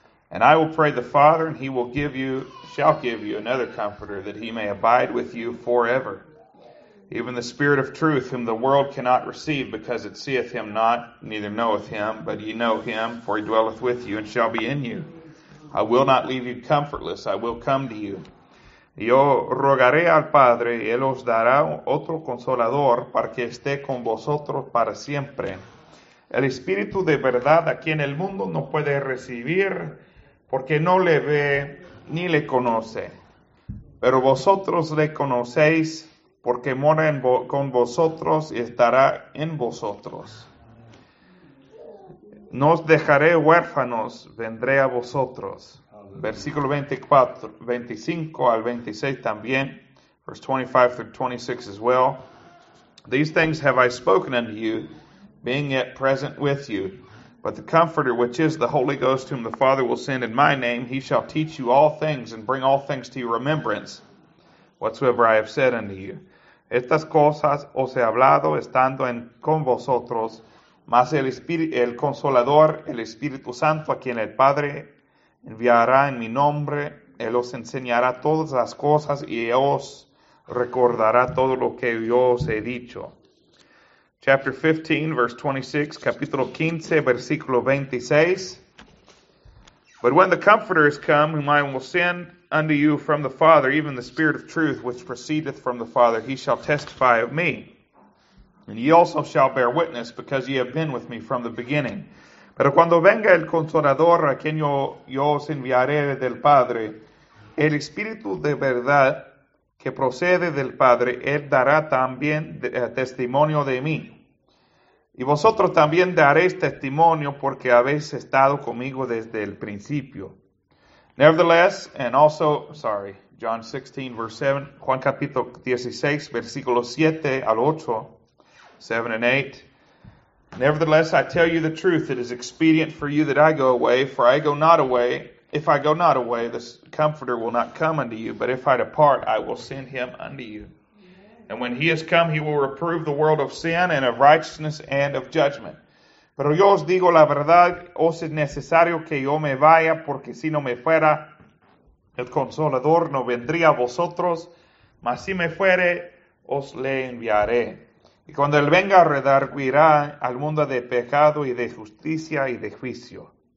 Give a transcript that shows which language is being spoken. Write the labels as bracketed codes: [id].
[en] And I will pray the Father, and he will give you, shall give you another comforter, that he may abide with you forever. Even the Spirit of truth, whom the world cannot receive, because it seeth him not, neither knoweth him, but ye know him, for he dwelleth with you, and shall be in you. I will not leave you comfortless, I will come to you. [es] Yo rogaré al Padre, y él os dará otro consolador, para que esté con vosotros para siempre. El Espíritu de verdad aquí en el mundo no puede recibir, porque no le ve ni le conoce. Pero vosotros le conocéis, porque mora en con vosotros y estará en vosotros. No os dejaré huérfanos, vendré a vosotros. Versículo 25 al 26 también. [en] Verse 25 through 26 as well. These things have I spoken unto you, being yet present with you. But the Comforter, which is the Holy Ghost, whom the Father will send in my name, he shall teach you all things and bring all things to your remembrance, whatsoever I have said unto you. [es] Estas cosas os he hablado estando en con vosotros, mas el Consolador, el Espíritu Santo, a quien el Padre enviará en mi nombre, él os enseñará todas las cosas y os recordará todo lo que yo os he dicho. [en] Chapter 15, verse 26, [es] capítulo 15, versículo 26. [en] But when the Comforter is come, whom I will send unto you from the Father, even the Spirit of truth, which proceedeth from the Father, he shall testify of me. And ye also shall bear witness, because ye have been with me from the beginning. [es] Pero cuando venga el Consolador, a quien yo os enviaré del Padre, el Espíritu de verdad que procede del Padre, él dará también testimonio de mí. Y vosotros también daréis testimonio, porque habéis estado conmigo desde el principio. [en] Nevertheless, and also, sorry, John 16, verse 7, [es] Juan capítulo 16, versículos 7 al 8, [en] 7 and 8. Nevertheless, I tell you the truth, it is expedient for you that I go away, for I go not away. If I go not away, the Comforter will not come unto you, but if I depart, I will send him unto you. And when he has come, he will reprove the world of sin and of righteousness and of judgment. [es] Pero yo os digo la verdad, os es necesario que yo me vaya, porque si no me fuera, el Consolador no vendría a vosotros, mas si me fuere, os le enviaré. Y cuando él venga, redarguirá al mundo de pecado y de justicia y de juicio.